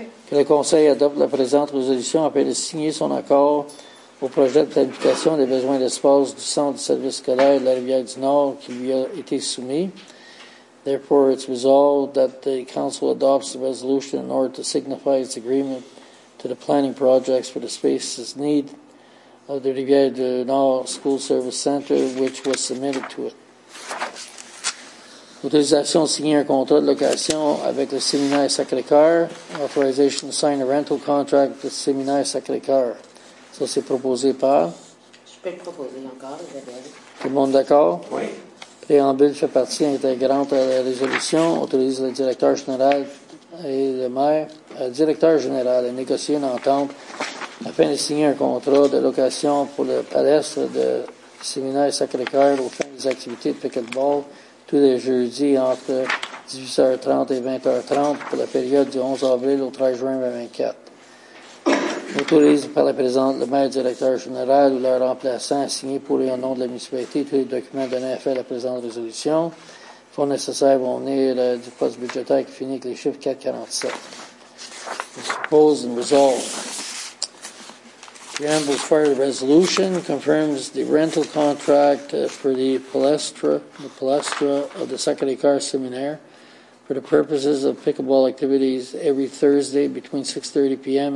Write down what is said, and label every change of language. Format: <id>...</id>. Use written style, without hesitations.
<fr>Que le Conseil adopte la présente résolution afin de signer son accord au projet de planification des besoins d'espace du Centre de service scolaire de la Rivière-du-Nord qui lui a été soumis.</fr> <en>Therefore, it's resolved that the Council adopts the resolution in order to signify its agreement to the planning projects for the spaces needed of the Rivière-du-Nord School Service Center, which was submitted to it.</en> <fr>Autorisation de signer un contrat de location avec le Séminaire Sacré-Cœur.</fr> <en>Authorization to sign a rental contract with the Séminaire Sacré-Cœur.</en> <fr>Ça, c'est proposé par? Je peux le proposer encore, Isabelle. Tout le monde d'accord? Oui. Préambule fait partie intégrante de la résolution. Autorise le directeur général et le maire. Le directeur général a négocié une entente afin de signer un contrat de location pour le palestre de Séminaire Sacré-Cœur au fin des activités de pickleball. Tous les jeudis entre 18h30 et 20h30 pour la période du 11 avril au 13 juin 2024. Autorise par la présente le maire directeur général ou leur remplaçant à signer pour et au nom de la municipalité tous les documents donnant effet à la présente résolution. Fonds nécessaires vont venir du poste budgétaire qui finit avec les chiffres 447.</fr> <en>Propose and resolve. Preamble's fire resolution confirms the rental contract for the palestra of the Sacré-Cœur Seminaire for the purposes of pickleball activities every Thursday between 6:30 p.m.</en>